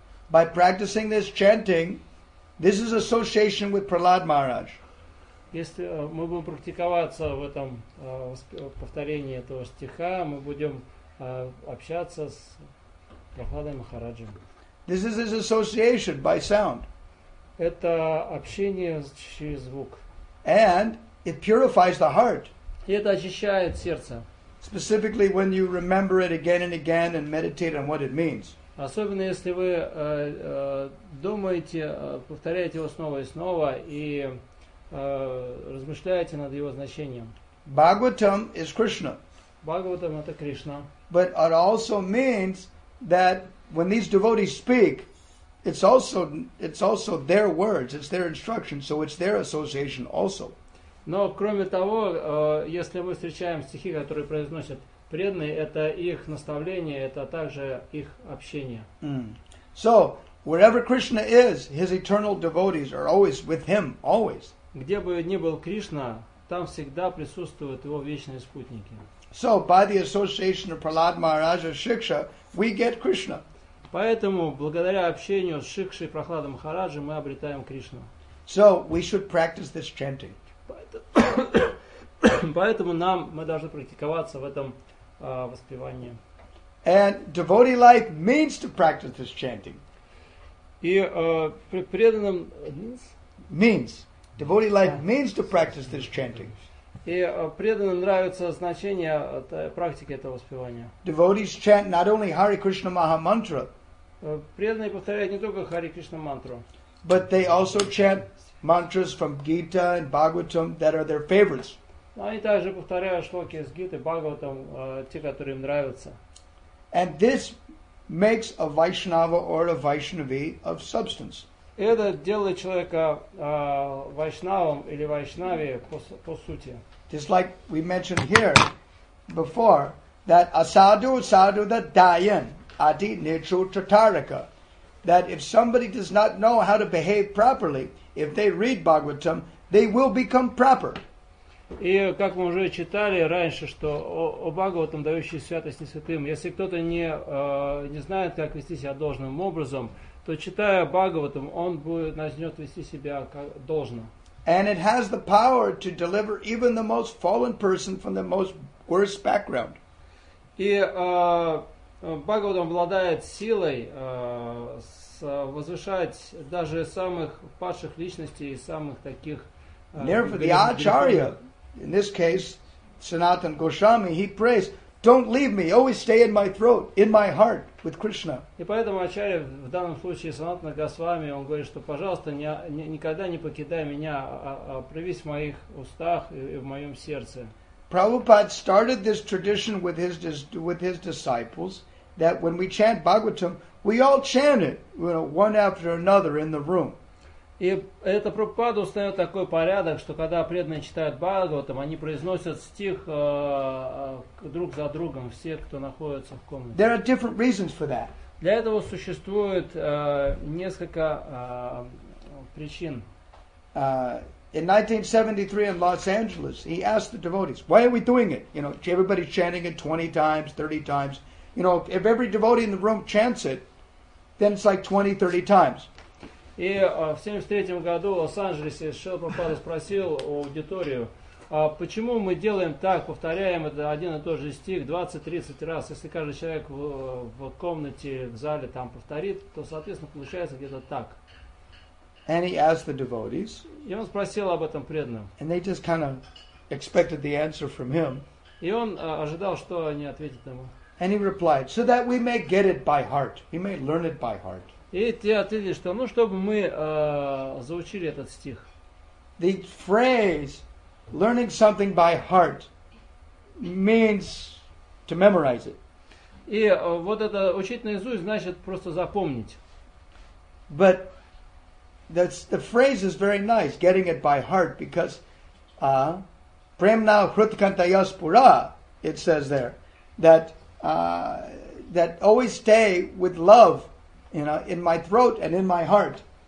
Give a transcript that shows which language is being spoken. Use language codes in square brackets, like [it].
[en] By practicing this chanting, this is association with Prahlad Maharaj. [ru] Если мы будем практиковаться в этом повторении этого стиха, мы будем общаться с Прахладой Махараджем. [en] This is his association by sound. [ru] Это общение через звук. [en] And it purifies the heart. [ru] И это очищает сердце. [en] Specifically when you remember it again and again and meditate on what it means. [ru] Особенно если вы думаете, повторяете его снова и снова и размышляете над его значением. [en] Bhagavatam is Krishna. [ru] Bhagavatam – это Кришна. [en] But it also means that when these devotees speak, it's also their words, it's their instruction, so it's their association also. [ru] Но кроме того, если мы встречаем стихи, которые произносят преданные, это их наставление, это также их общение. [en] Mm. So, wherever Krishna is, his eternal devotees are always with him, always. [ru] Где бы ни был Кришна, там всегда присутствуют его вечные спутники. [en] So, by the association of Prahlad Maharaja Shiksha, we get Krishna. [ru] Поэтому, благодаря общению с Шикшей и Прахладом Махараджем, мы обретаем Кришну. [en] So, we should practice this chanting. [ru] Поэтому нам, мы должны практиковаться в этом воспевании. [en] And devotee life means to practice this chanting. [ru] И преданным... [en] Means. Devotee life means to practice this chanting. [ru] И преданным нравится значение практики этого воспевания. [en] Devotees chant not only Hare Krishna Maha Mantra. [ru] Преданные повторяют не только Hare Krishna Mantra. [en] But they also chant mantras from Gita and Bhagavatam that are their favorites. [ru] Они также повторяют шлоки из Гиты, Бхагаватам, те, которые им нравятся. [en] And this makes a Vaishnava or a Vaishnavi of substance. [ru] Это делает человека вайшнавом или вайшнави по сути. [en] Just like we mentioned here before, that asadhu, sadhu, that dayan, adi, nichu, tatarika. That if somebody does not know how to behave properly, if they read Bhagavatam, they will become proper. [ru] И как мы уже читали раньше, что о Бхагаватам, дающий святость несвятым, если кто-то не знает, как вести себя должным образом, то читая Бхагаватам, он будет начнет вести себя как должно. [en] And it has the power to deliver even the most fallen person from the most worst background. [ru] И Бхагаватам обладает силой возвышать даже самых падших личностей и самых таких... [en] Therefore, the Acharya, in this case, Sanatan Goswami, he prays, don't leave me, always stay in my throat, in my heart, with Krishna. [ru] И поэтому Ачарья, в данном случае, Санатана Госвами, он говорит, что, пожалуйста, никогда не покидай меня, проявись в моих устах и в моем сердце. [en] Prabhupada started this tradition with his disciples, that when we chant Bhagavatam, we all chant it, you know, one after another in the room. [ru] И это Прабхупада установил такой порядок, что когда преданные читают Бхагаватам, они произносят стих друг за другом, все, кто находится в комнате. [en] There are different reasons for that. [ru] Для этого существует несколько причин. [en] In 1973 in Los Angeles, he asked the devotees, why are we doing it? You know, everybody's chanting it 20 times, 30 times. You know, if every devotee in the room chants it, then it's like 20, 30 times. [ru] И в 73-м году в Лос-Анджелесе Шрила Прабхупада спросил аудиторию, почему мы делаем так, повторяем это один и тот же стих 20-30 раз, если каждый человек в комнате, в зале там повторит, то, соответственно, получается где-то так. [en] And he asked the devotees, [ru] и он спросил об этом преданным. [en] And they just kind of expected the answer from him. [ru] И он ожидал, что они ответят ему. [en] And he replied, so that we may get it by heart. We may learn it by heart. [ru] И те ответили, что ну, чтобы мы заучили этот стих. [en] The phrase learning something by heart means to memorize it. [ru] И вот это учить наизусть значит просто запомнить. [en] But the phrase is very nice, getting it by heart, because Premna Hrutkantayas Pura, it says there, that always stay with love you know, in my throat and in my heart.